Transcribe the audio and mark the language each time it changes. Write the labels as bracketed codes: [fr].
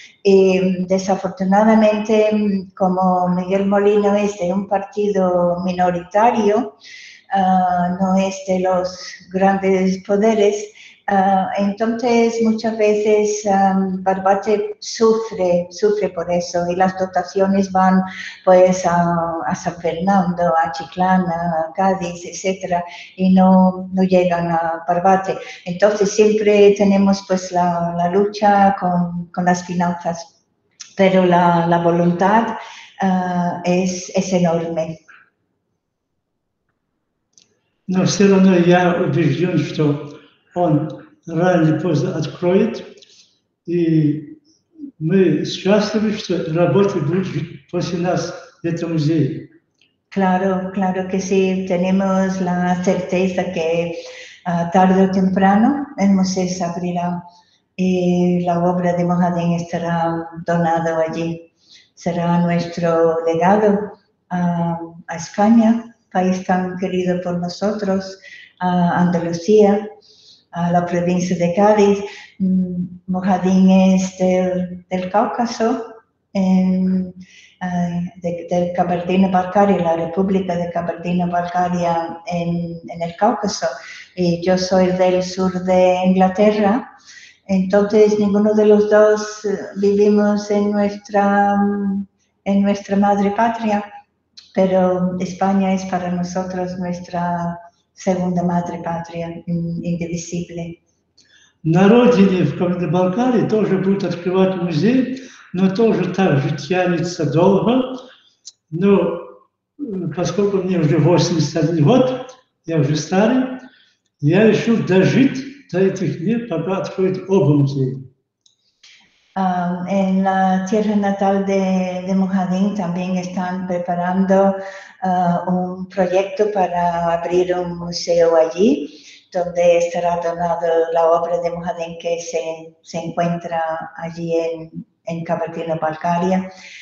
[es] Y desafortunadamente, como Miguel Molina es de un partido minoritario, no es de los grandes poderes, entonces muchas veces Barbate sufre por eso y las dotaciones van pues a San Fernando, a Chiclana, a Cádiz, etcétera, y no llegan a Barbate. Entonces siempre tenemos pues la lucha con las finanzas, pero la voluntad es enorme. [ru] Но все равно я убежден, что он рано или поздно откроет, и мы счастливы, что работа будет после нас в этом музее. [es] Claro, claro que sí. Tenemos la certeza que tarde o temprano el museo se abrirá y la obra de Mohadin estará donada allí. Será nuestro legado a España, país tan querido por nosotros, a Andalucía, a la provincia de Cádiz. Mohadin es del Cáucaso, del Kabardino-Balkaria, la República de Kabardino-Balkaria en el Cáucaso, y yo soy del sur de Inglaterra. Entonces, ninguno de los dos vivimos en nuestra madre patria, pero España es para nosotros nuestra segunda madre patria indivisible. [ru] На родине в Кабардино-Балкарии тоже будет открывать музей, но тоже так же тянется долго. Но поскольку мне уже 81 год, я уже старый, я решил дожить до этих дней, пока откроют оба музея. [es] En la tierra natal de Mohadin también están preparando un proyecto para abrir un museo allí, donde estará donada la obra de Mohadin que se encuentra allí en Kabardino-Balkaria.